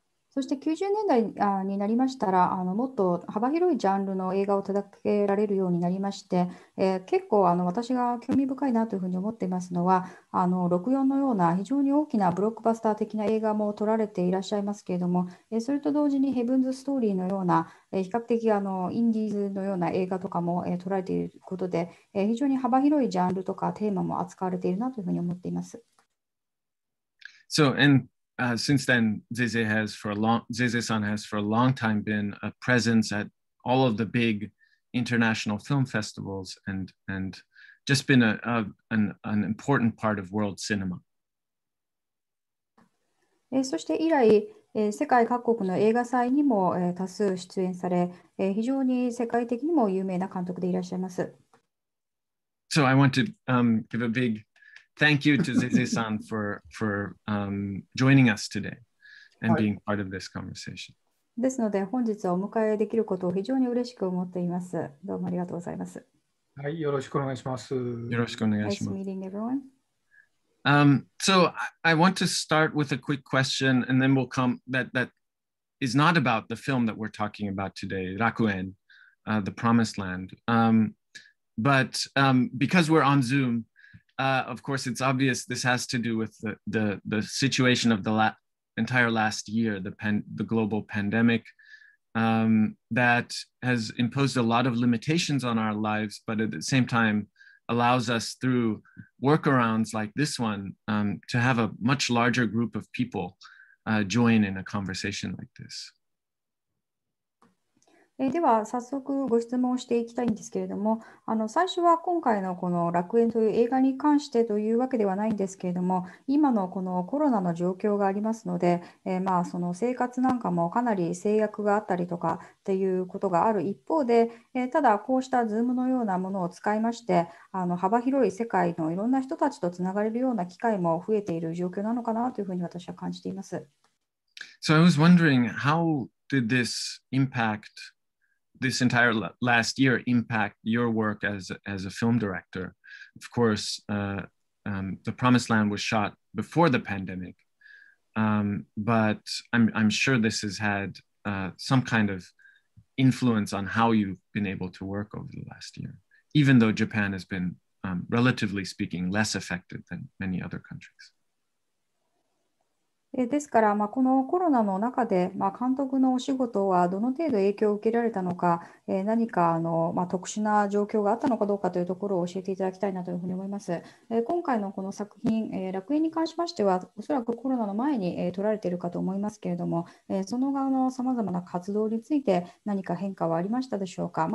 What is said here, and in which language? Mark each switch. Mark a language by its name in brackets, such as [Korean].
[Japanese] そして90年代になりましたら、もっと幅広いジャンルの映画を手掛けられるようになりまして、結構私が興味深いなというふうに思っていますのは、64のような非常に大きなブロックバスター的な映画も撮られていらっしゃいますけれども、それと同時にヘブンズストーリーのような、比較的インディーズのような映画とかも撮られていることで、非常に幅広いジャンルとかテーマも扱われているなというふうに思っています。 [English] So, and Since then, Zeze-san has for a long time been a presence at all of the big international film festivals and just been an important part of world cinema. [Japanese] そして以来、世界各国の映画祭にも多数出演され、非常に世界的にも有名な監督でいらっしゃいます。 [English] So I want to give a big thank you to Zeze-san for joining us today and being part of this conversation. [Japanese] ですので、本日お迎えできることを非常に嬉しく思っています。どうもありがとうございます。はい、よろしくお願いします。よろしくお願いします。 [English] Nice meeting everyone. So I want to start with a quick question and then we'll come that is not about the film that we're talking about today, Rakuen, The Promised Land. But because we're on Zoom, of course, it's obvious this has to do with the situation of the entire last year, the global pandemic that has imposed a lot of limitations on our lives, but at the same time,allows us through workarounds like this one, to have a much larger group of people, join in a conversation like this. [Japanese] では早速ご質問していきたいんですけれども、最初は今回のこの楽園という映画に関してというわけではないんですけれども、今のこのコロナの状況がありますので、その生活なんかもかなり制約があったりとかっていうことがある一方で、ただこうしたズームのようなものを使いまして、幅広い世界のいろんな人たちとつながれるような機会も増えている状況なのかなというふうに私は感じています。 [English] So I was wondering how did this impact? This entire last year impact your work as a film director. Of course, The Promised Land was shot before the pandemic, but I'm sure this has had some kind of influence on how you've been able to work over the last year, even though Japan has been, relatively speaking, less affected than many other countries. [Japanese] ですから、このコロナの中で、監督のお仕事はどの程度影響を受けられたのか、何か特殊な状況があったのかどうかというところを教えていただきたいなというふうに思います。今回のこの作品、楽園に関しましては、おそらくコロナの前に、撮られているかと思いますけれども、その側のさまざまな活動について何か変化はありましたでしょうか。